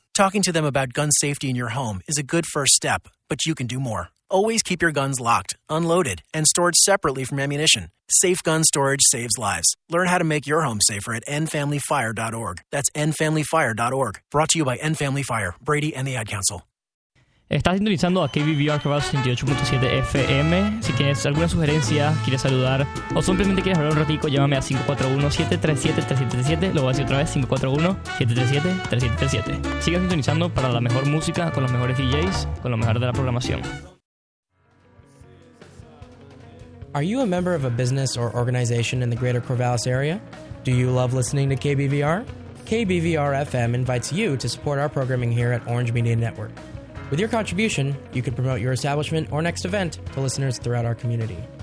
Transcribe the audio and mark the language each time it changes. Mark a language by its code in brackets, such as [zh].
[en] Talking to them about gun safety in your home is a good first step, but you can do more. Always keep your guns locked, unloaded, and stored separately from ammunition. Safe gun storage saves lives. Learn how to make your home safer at nfamilyfire.org. That's nfamilyfire.org. Brought to you by nFamily Fire, Brady, and the Ad Council. [es] Estás sintonizando a KBVR Corvallis 88.7 FM. Si tienes alguna sugerencia, quieres saludar o simplemente quieres hablar un ratico, llámame a 541-737-3777. Lo voy a decir otra vez, 541-737-3777. Sigue sintonizando para la mejor música, con los mejores DJs, con lo mejor de la programación. [en] Are you a member of a business or organization in the greater Corvallis area? Do you love listening to KBVR? KBVR-FM invites you to support our programming here at Orange Media Network. With your contribution, you could promote your establishment or next event to listeners throughout our community.